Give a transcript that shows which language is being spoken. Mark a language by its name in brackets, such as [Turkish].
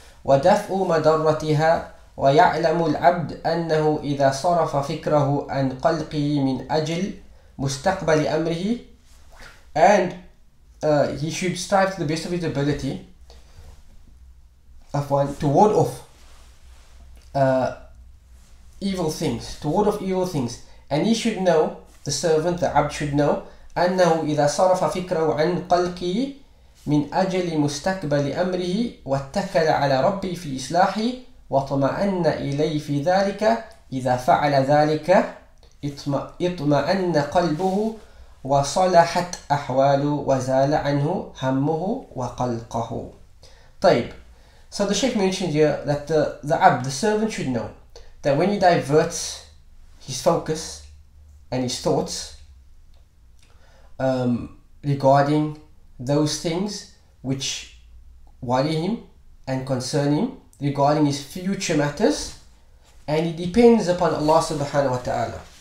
[Arabic] وَدَفْءُ مَدَرَّتِهَا وَيَعْلَمُ الْعَبْدُ أَنَّهُ إِذَا صَرَفَ فِكْرَهُ أَنْ قَلْقِهِ مِنْ أَجْلِ مُسْتَقْبَلِ أَمْرِهِ. [English] And he should strive to the best of his ability of one, to ward off evil things, to ward off evil things. And he should know, the servant, the abd should know, [Arabic] أَنَّهُ إِذَا صَرَفَ فِكْرَهُ عَنْ قَلْقِهِ مِنْ أَجَلِ مُسْتَقْبَلِ أَمْرِهِ وَاتَّكَلَ عَلَى رَبِّي فِي إِصْلَاحِ وَطُمَأَنَّ إِلَيْ فِي ذَلِكَ إِذَا فَعَلَ ذَلِكَ اطْمَأَنَّ قَلْبُهُ وَصَلَحَتْ أَحْوَالُ وَزَالَ عَنْهُ هَمُّهُ وَقَلْقَهُ. طيب. [English] So the Shaykh mentioned here that the abd, the servant, should know that when he diverts his focus and his thoughts regarding those things which worry him and concern him regarding his future matters, and he depends upon Allah subhanahu wa ta'ala.